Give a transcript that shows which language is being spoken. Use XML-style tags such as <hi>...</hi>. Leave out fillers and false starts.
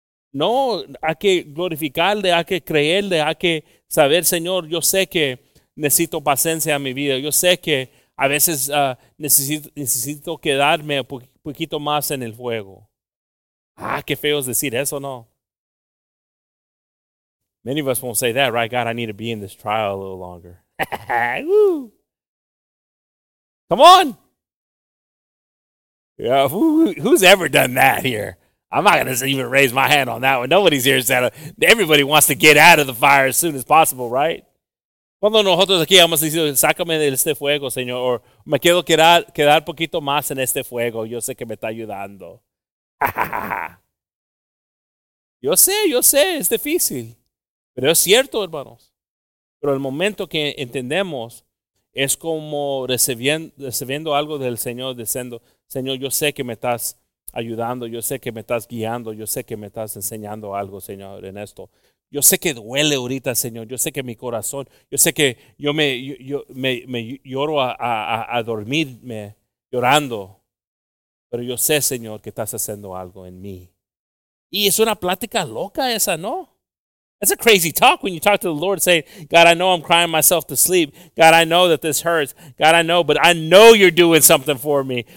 <es>No, hay que glorificarle, hay que creerle, hay que saber, Señor, yo sé que necesito paciencia en mi vida. Yo sé que a veces necesito quedarme un poquito más en el fuego. Ah, qué feo es decir eso, ¿no?</es> <en>Many of us won't say that, right? God, I need to be in this trial a little longer. Woo. Come on. Yeah, who's ever done that here? I'm not going to even raise my hand on that one. Nobody's here said everybody wants to get out of the fire as soon as possible, right?</en> <es>Cuando nosotros aquí hemos dicho, sácame de este fuego, Señor, or me quiero quedar poquito más en este fuego. Yo sé que me está ayudando. Yo sé, es difícil. Pero es cierto, hermanos. Pero el momento que entendemos es como recibiendo algo del Señor, diciendo, Señor, yo sé que me estás ayudando, yo sé que me estás guiando, yo sé que me estás enseñando algo, Señor, en esto. Yo sé que duele ahorita, Señor, yo sé que mi corazón, yo sé que yo me lloro a dormirme llorando, pero yo sé, Señor, que estás haciendo algo en mí. Y es una plática loca esa, ¿no?</es> <en>That's a crazy talk when you talk to the Lord and say, God, I know I'm crying myself to sleep. God, I know that this hurts. God, I know, but I know you're doing something for me.</en>